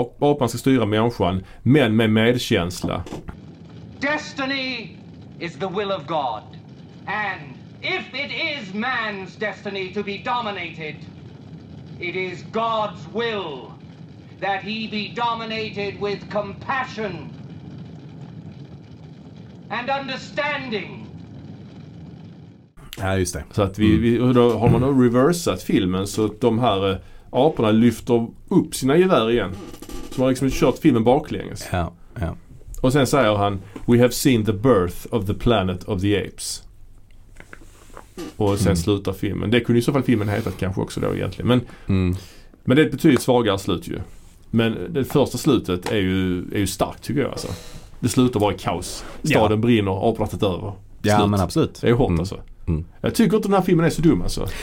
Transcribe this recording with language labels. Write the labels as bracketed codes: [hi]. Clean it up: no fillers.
[sv] Apan ska styra människan, men med medkänsla. [en] Destiny is the will of God. And if it is man's destiny to be dominated, it is God's will that he be dominated with compassion and understanding. [sv] Ja, just det. Så att vi då har man då reversat filmen så att de här aporna lyfter upp sina gevär igen. Så man har liksom kört filmen baklänges. Ja, ja. Och sen säger han, [en] we have seen the birth of the planet of the apes. [sv] Och sen slutar filmen. Det kunde i så fall filmen hetat kanske också då egentligen. Men, men det är ett betydligt svagare slut ju. Men det första slutet är ju starkt tycker jag alltså. Det slutar bara i kaos. Staden brinner, aporna tagit över. Slut. Ja, men absolut. Det är hårt alltså. Jag tycker inte den här filmen är så dum alltså.